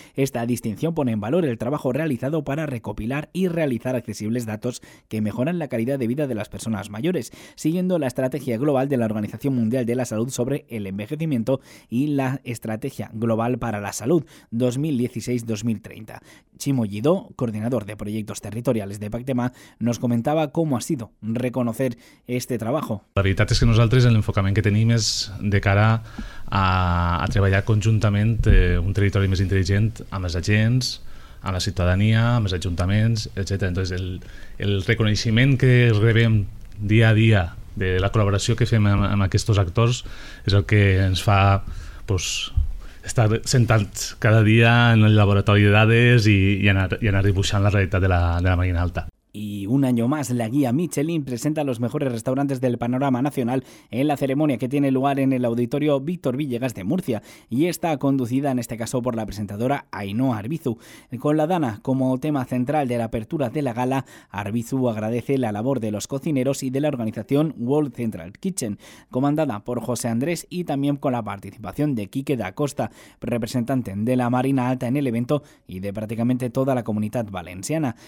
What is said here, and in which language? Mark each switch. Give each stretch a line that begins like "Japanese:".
Spanish: Esta distinción pone en valor el trabajo realizado para recopilar y realizar accesibles datos que mejoran la calidad de vida de las personas mayores, siguiendo la estrategia global de la Organización Mundial de la Salud sobre el envejecimiento y la Estrategia Global para la Salud 2016-2030. Chimo Yidó, coordinador de proyectos territoriales de Pactema, nos
Catalan: comentava com
Spanish: ha sido reconocer este trabajo.
Catalan: La veritat és que nosaltres l'enfocament que tenim és de cara a treballar conjuntament un territori més intel·ligent amb els agents, amb la ciutadania, amb els ajuntaments, etc. Entonces, el reconeixement que rebem dia a dia de la col·laboració que fem amb aquests actors és el que ens fa pues estar sentats cada dia en el laboratori de dades i anar dibuixant la realitat de la Marina Alta.
Spanish: Y un año más, la guía Michelin presenta los mejores restaurantes del panorama nacional en la ceremonia que tiene lugar en el Auditorio Víctor Villegas de Murcia, y está conducida en este caso por la presentadora Ainhoa Arbizu. Con la Dana como tema central de la apertura de la gala, Arbizu agradece la labor de los cocineros y de la organización World Central Kitchen, comandada por José Andrés, y también con la participación de Quique da Costa, representante de la Marina Alta en el evento y de prácticamente toda la comunidad valenciana.